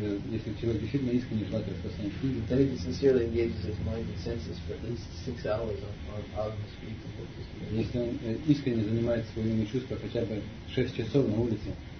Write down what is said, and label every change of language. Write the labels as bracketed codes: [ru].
[ru] Если человек действительно искренне желает распространять книги, то [en] he sincerely engages his mind and senses for at least 6 hours on the street. [ru] Если он искренне занимает свои умы и чувства хотя бы 6 часов на улице,